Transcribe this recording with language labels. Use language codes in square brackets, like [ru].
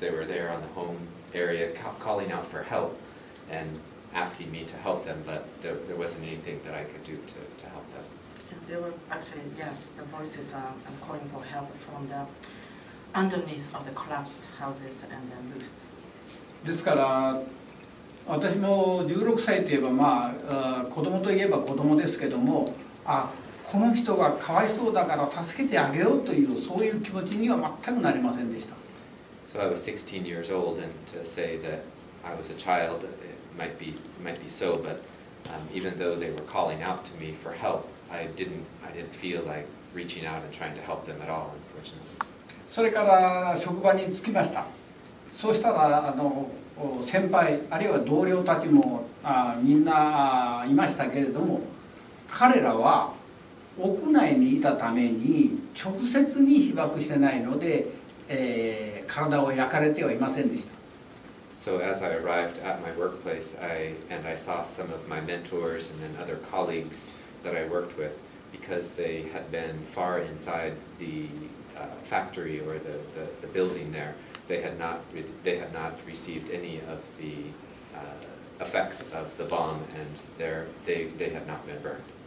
[en] They were there on the home area calling out for help and asking me to help them, but there wasn't anything that I could do to help them. There were actually, yes, the voices are calling for help from the underneath of the collapsed houses and the roofs. [ja] ですから、私も16歳といえば、まあ、子供といえば子供ですけども、あ、この人がかわいそうだから助けてあげようという、そういう気持ちには全くなりませんでした。 [en] So I was 16 years old, and to say that I was a child,might be so, but even though they were calling out to me for help, I didn't feel like reaching out and trying to help them at all, unfortunately. [ja] それから職場に着きました。そうしたら先輩あるいは同僚たちもみんないましたけれども、彼らは屋内にいたために直接に被爆してないので、体を焼かれてはいませんでした。 [en] So as I arrived at my workplace, I saw some of my mentors and then other colleagues that I worked with, because they had been far inside the factory or the building there, they had not received any of the effects of the bomb, and they had not been burned.